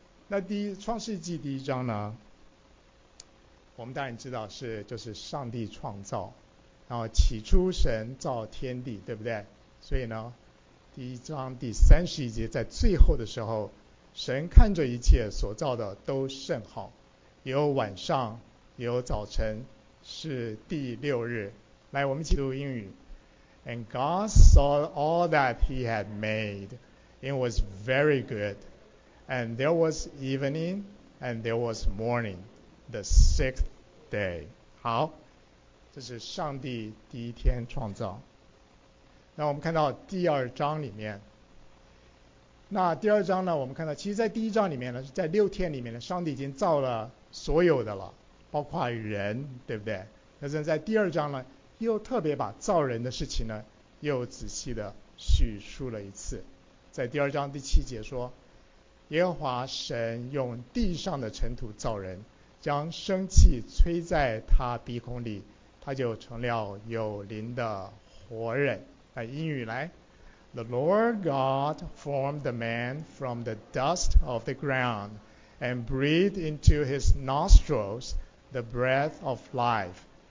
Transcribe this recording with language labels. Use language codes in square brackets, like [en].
[zh] 那第一创世纪第一章呢，我们当然知道是就是上帝创造，然后起初神造天地，对不对？所以呢，第一章第31节在最后的时候，神看着一切所造的都甚好，有晚上，有早晨，是第六日。来，我们一起读英语。 [en] And God saw all that he had made, it was very good. And there was evening, and there was morning, the sixth day. [zh] 好，这是上帝第一天创造。那我们看到第二章里面，那第二章呢，我们看到其实在第一章里面呢，在六天里面呢，上帝已经造了所有的了，包括人，对不对？但是在第二章呢，又特别把造人的事情呢又仔细的叙述了一次。在第二章第7节说，耶和华神用地上的尘土造人，将生气吹在他鼻孔里，他就成了有灵的活人。那英语来， [en] The Lord God formed the man from the dust of the ground and breathed into his nostrils the breath of life.